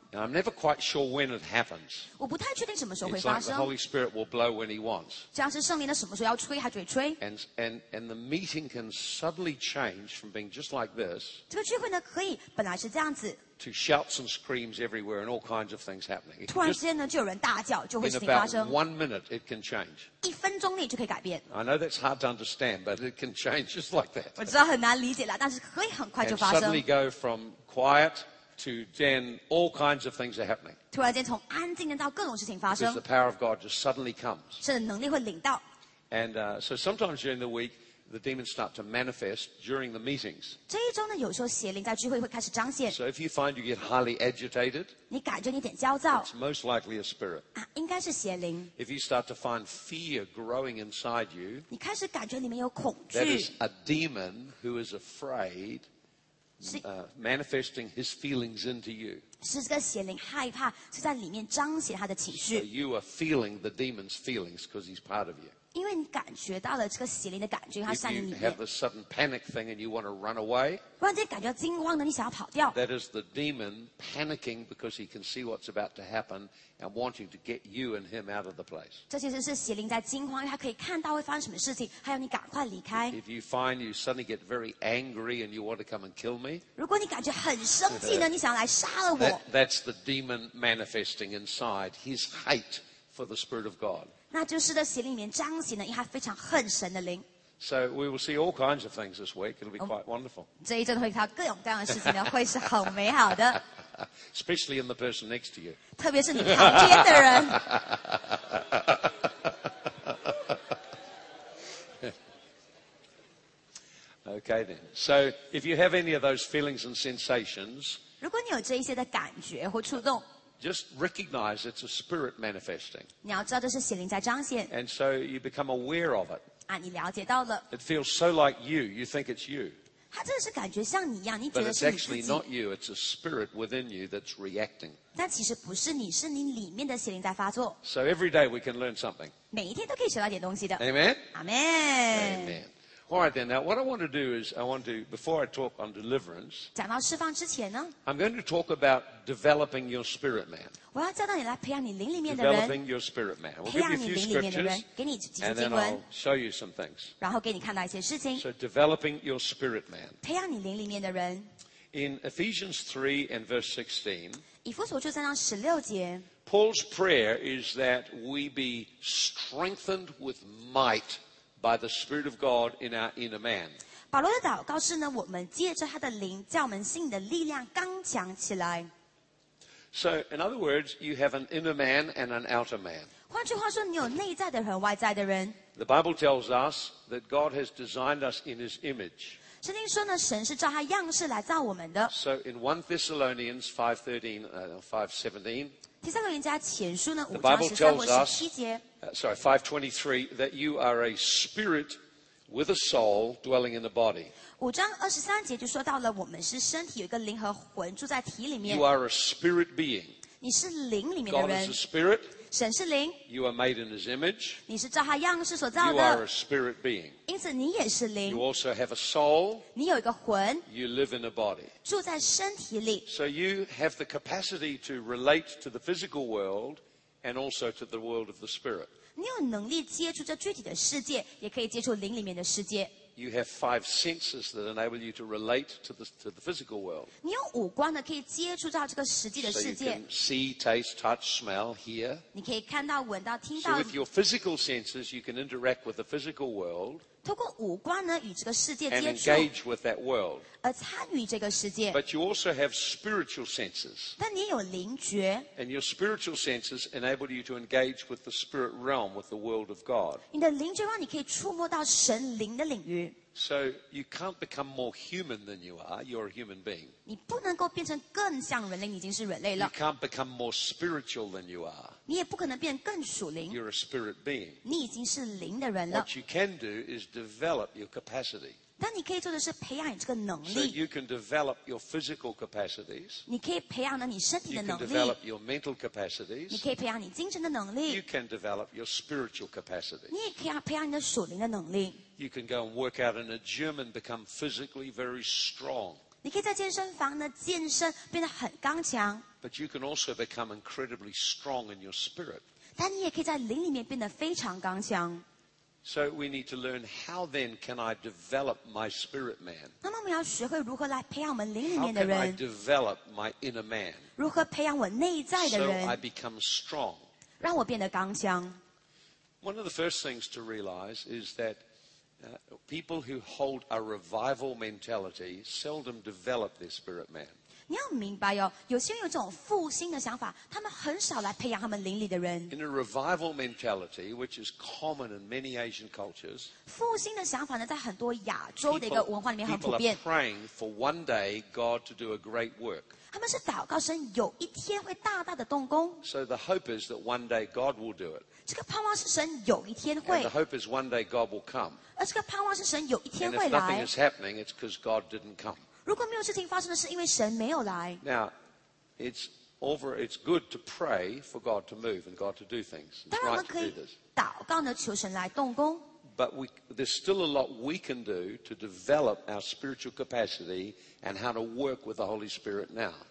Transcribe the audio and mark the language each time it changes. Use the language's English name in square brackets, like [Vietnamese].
[English] And I'm never quite sure when it happens. [Chinese] 我不太确定什么时候会发生。 [English] It's like the Holy Spirit will blow when he wants. [Chinese] 像是圣灵的什么时候要吹，他就会吹。 [English] And the meeting can suddenly change from being just like this. [Chinese] 这个聚会呢，可以本来是这样子。 [English] To shouts and screams everywhere and all kinds of things happening. [Chinese] 突然之间呢，就有人大叫，就会事情发生。 [English] In about 1 minute, it can change. [Chinese] 一分钟内就可以改变。 [English] I know that's hard to understand, but it can change just like that. [Chinese] 我知道很难理解了，但是可以很快就发生。 [English] And suddenly go from quiet. To then all kinds of things are happening. [Chinese] 突然间从安静到各种事情发生。 [English] Because the power of God just suddenly comes. [Chinese] 是能力会领到。 [English] And so sometimes during the week, the demons start to manifest during the meetings. [Chinese] 这一周呢，有时候邪灵在聚会会开始彰显。 [English] So if you find you get highly agitated, [Chinese] 你感觉你有点焦躁。 [English] It's most likely a spirit. [Chinese] 啊，应该是邪灵。 [English] If you start to find fear growing inside you, [Chinese] 你开始感觉里面有恐惧。 [English] That is a demon who is afraid. Manifesting his feelings into you. [Chinese] 是这个邪灵害怕，是在里面彰显他的情绪。 [English] So you are feeling the demon's feelings because he's part of you. [Chinese] 因为你感觉到了这个邪灵的感觉，他在你里面。 [English] If you have the sudden panic thing and you want to run away, [Chinese] 突然间感觉到惊慌的，你想要跑掉。 [English] That is the demon panicking because he can see what's about to happen and wanting to get you and him out of the place. [Chinese] 这其实是邪灵在惊慌，因为他可以看到会发生什么事情，还要你赶快离开。 [English] If you find you suddenly get very angry and you want to come and kill me, [Chinese] 如果你感觉很生气呢，你想要来杀了我。 [English] That's the demon manifesting inside his hate for the Spirit of God. [Chinese] 那就是在邪灵里面彰显的，因为他非常恨神的灵。 [English] So we will see all kinds of things this week. It'll be quite wonderful. [Chinese] 这一阵会看到各种各样的事情呢，会是很美好的。 [English] Especially in the person next to you. [Chinese] 特别是你旁边的人。 [English] Okay then. So if you have any of those feelings and sensations, [Chinese] 如果你有这一些的感觉或触动。 [English] Just recognize it's a spirit manifesting. [Chinese] 你要知道这是邪灵在彰显。 [English] And so you become aware of it. [Chinese] 啊，你了解到了。 [English] It feels so like you. You think it's you. [Chinese] 它真的是感觉像你一样，你觉得是你自己。 [English] But it's actually not you. It's a spirit within you that's reacting. [Chinese] 但其实不是你，是你里面的邪灵在发作。 [English] So every day we can learn something. [Chinese] 每一天都可以学到点东西的。 [English] Amen. Amen. Amen. All right then, now what I want to do is, I want to, before I talk on deliverance, [Chinese] 讲到释放之前呢 [English] I'm going to talk about developing your spirit man. [Chinese] 我要教导你来培养你灵里面的人 [English] Developing your spirit man. We'll give you a few scriptures, [Chinese] 给你几节经文 [English] and then I'll show you some things. [Chinese] 然后给你看到一些事情 [English] So developing your spirit man. [Chinese] 培养你灵里面的人 [English] In Ephesians 3 and verse 16, [Chinese] 以弗所书三章十六节 [English] Paul's prayer is that we be strengthened with might. By the Spirit of God in our inner man. [Chinese] 保罗的祷告是呢，我们借着他的灵，叫我们心里的力量刚强起来。 [English] So, in other words, you have an inner man and an outer man. [Chinese] 换句话说，你有内在的人，外在的人。 [English] The Bible tells us that God has designed us in His image. [Chinese] 圣经说呢，神是照他样式来造我们的。 [English] So, in 1 Thessalonians 5:13, 5:17. The Bible tells us, sorry, 5:23, that you are a spirit with a soul dwelling in the body. [Chinese] 五章二十三节就说到了，我们是身体有一个灵和魂住在体里面。 [English] You are a spirit being. [Chinese] 你是灵里面的人。 [English] God is a spirit. [Chinese] 神是灵。 [English] You are made in His image. [Chinese] 你是照他样式所造的。 [English] You are a spirit being. [Chinese] 因此你也是灵。 [English] You also have a soul. [Chinese] 你有一个魂。 [English] You live in a body. [Chinese] 住在身体里。 [English] So you have the capacity to relate to the physical world and also to the world of the spirit. [Chinese] 你有能力接触这具体的世界，也可以接触灵里面的世界。 [English] You have five senses that enable you to relate to the physical world. [Chinese] 你有五官的，可以接触到这个实际的世界。 [English] So you can see, taste, touch, smell, hear. [Chinese] 你可以看到、闻到、听到。 [English] So with your physical senses, you can interact with the physical world. [Chinese] 透过五官呢，与这个世界接触。 [English] And engage with that world. [Chinese] 而参与这个世界。 [English] But you also have spiritual senses. [Chinese] 但你有灵觉。 [English] And your spiritual senses enable you to engage with the spirit realm, with the world of God. [Chinese] 你的灵觉让你可以触摸到神灵的领域。 [English] So you can't become more human than you are. You're a human being. [Chinese] 你不能够变成更像人类，你已经是人类了。 [English] You can't become more spiritual than you are. [Chinese] 你也不可能变更属灵。 [English] You're a spirit being. [Chinese] 你已经是灵的人了。 [English] What you can do is develop your capacity. [Chinese] 但你可以做的是培养你这个能力。 [English] So you can develop your physical capacities. [Chinese] 你可以培养你身体的能力。 [English] You can develop your mental capacities. [Chinese] 你可以培养你精神的能力。 [English] You can develop your spiritual capacities. [Chinese] 你也可以培养你的属灵的能力。 [English] You can go and work out in a gym and become physically very strong. [Chinese] 你可以在健身房呢健身变得很刚强。 [English] But you can also become incredibly strong in your spirit. [Chinese] 但你也可以在灵里面变得非常刚强。 [English] So we need to learn how then can I develop my spirit man? [Chinese] 那么我们要学会如何来培养我们灵里面的人。 [English] How can I develop my inner man? [Chinese] 如何培养我内在的人。 [English] So I become strong. [Chinese] 让我变得刚强。 [English] One of the first things to realize is that people who hold a revival mentality seldom develop their spirit man. [Chinese] 你要明白哦，有些人有这种复兴的想法，他们很少来培养他们灵里的人。 [English] In a revival mentality, which is common in many Asian cultures, [Chinese] 复兴的想法呢，在很多亚洲的一个文化里面很普遍。 [English] People are praying for one day God to do a great work. [Chinese] 他们是祷告神有一天会大大的动工。 [English] So the hope is that one day God will do it. [Chinese] 这个盼望是神有一天会。 [English] And the hope is one day God will come. [Chinese] 而这个盼望是神有一天会来。 [English] And if nothing is happening, it's because God didn't come. [Chinese] 如果没有事情发生的是因为神没有来。 [English] Now, it's good to pray for God to move and God to do things. It's right to do this. [Chinese] 当然我们可以祷告呢，求神来动工。 [English] But there's still a lot we can do to develop our spiritual capacity and how to work with the Holy Spirit now.